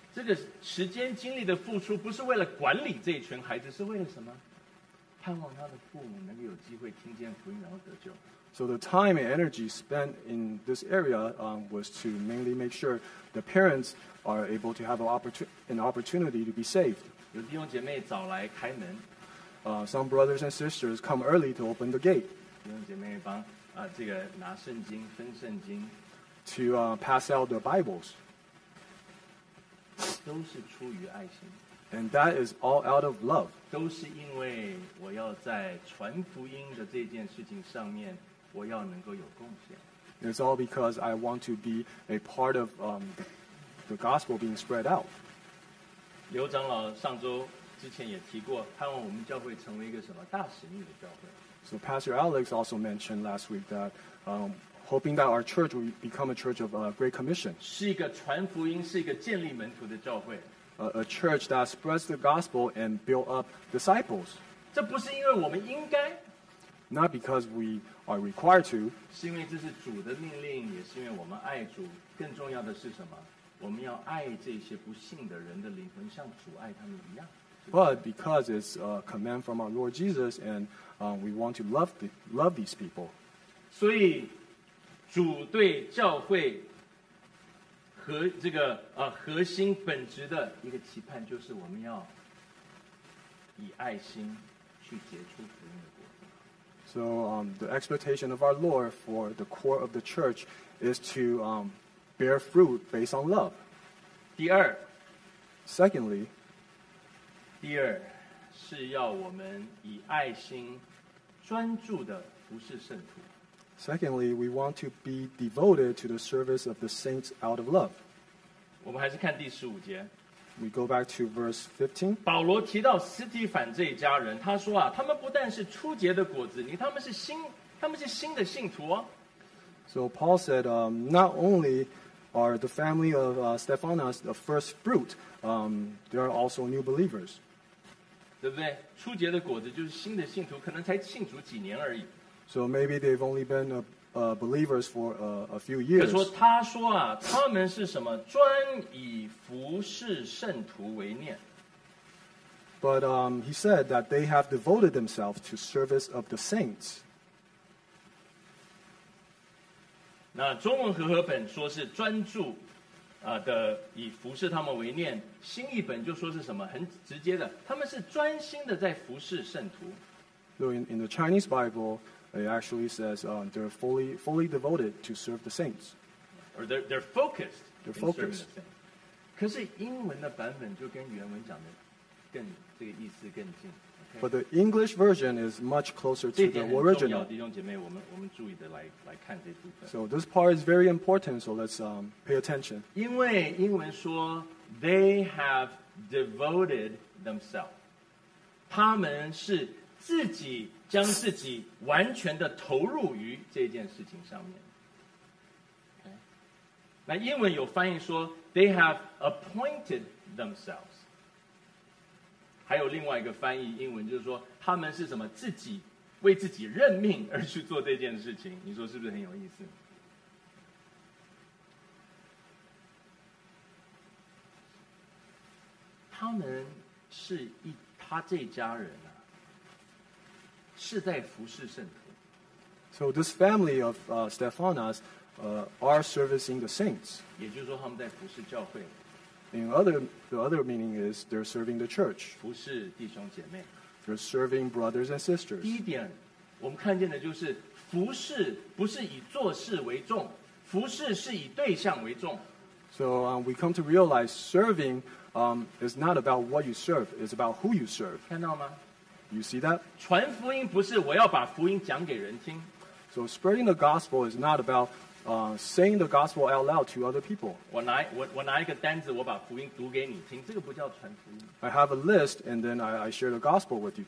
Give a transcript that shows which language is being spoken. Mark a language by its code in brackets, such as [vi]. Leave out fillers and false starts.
[zh] 这个时间精力的付出不是为了管理这一群孩子，是为了什么？盼望他的父母能够有机会听见福音，然后得救。 [en] So the time and energy spent in this area was to mainly make sure the parents are able to have an opportunity to be saved. [zh] 有弟兄姐妹早来开门。 [en] Some brothers and sisters come early to open the gate. [zh] 弟兄姐妹帮这个拿圣经分圣经。 [en] To pass out the Bibles. [zh] 都是出于爱心。 [en] And that is all out of love. [zh] 都是因为我要在传福音的这件事情上面。我要能够有贡献。 [en] It's all because I want to be a part of the gospel being spread out. [zh] 刘长老上周之前也提过，盼望我们教会成为一个什么大使命的教会。 [en] So Pastor Alex also mentioned last week that hoping that our church will become a church of a great commission. [zh] 是一个传福音，是一个建立门徒的教会。 [en] A church that spreads the gospel and build up disciples. [zh] 这不是因为我们应该。 [en] Not because we are required to. [zh] 是因为这是主的命令，也是因为我们爱主。更重要的是什么？我们要爱这些不信的人的灵魂，像主爱他们一样。 [en] But because it's a command from our Lord Jesus, and we want to love these people. [zh] 所以，主对教会和这个核心本质的一个期盼，就是我们要以爱心去结出福音。 [en] So the expectation of our Lord for the core of the church is to bear fruit based on love. [zh] 第二 [en] Secondly, [zh] 第二是要我们以爱心专注的服侍圣徒。 [en] Secondly, we want to be devoted to the service of the saints out of love. [zh] 我们还是看第十五节。 [en] We go back to verse 15. [zh] 保罗提到斯提凡这一家人，他说啊，他们不但是初结的果子，他们是新的信徒哦。 [en] So Paul said, not only are the family of Stephanas the first fruit, they are also new believers. [zh] 对不对？初结的果子就是新的信徒，可能才信主几年而已。 [en] So maybe they've only been believers for a few years. [zh] 可说他说啊，他们是什么？专以服侍圣徒为念。 [en] But he said that they have devoted themselves to service of the saints. [zh] 那中文和合本说是专注的以服侍他们为念，新译本就说是什么？很直接的，他们是专心的在服侍圣徒。 [en] So in the Chinese Bible. It actually says they're fully devoted to serve the saints. Or they're focused. They're focused. [zh] 可是英文的版本就跟原文讲的更这个意思更近。 [en] But the English version is much closer to the original. [zh] 弟兄姐妹，我们注意的来看这部分。 [en] So this part is very important. So let's pay attention. [zh] 因为英文说 [en] they have devoted themselves. [zh] 他们是自己。将自己完全的投入于这件事情上面。 Okay. 那英文有翻译说 [en] they have appointed themselves. [zh] 还有另外一个翻译英文就是说他们是什么自己为自己任命而去做这件事情，你说是不是很有意思？他们是他这家人啊是在服侍圣徒。 [en] So this family of Stephanas are servicing the saints. [zh] 也就是说他们在服侍教会。 [en] The other meaning is they're serving the church. [zh] 服侍弟兄姐妹。 [en] They're serving brothers and sisters. [zh] 第一点我们看见的就是服侍不是以做事为重，服侍是以对象为重。 [en] So we come to realize serving is not about what you serve, it's about who you serve. [zh] 看到吗？ [en] You see that? [zh] 传福音不是我要把福音讲给人听。 [en] So spreading the gospel is not about saying the gospel out loud to other people. [zh] 我拿一个单子，我把福音读给你听，这个不叫传福音。 [en] I have a list and then I share the gospel with you.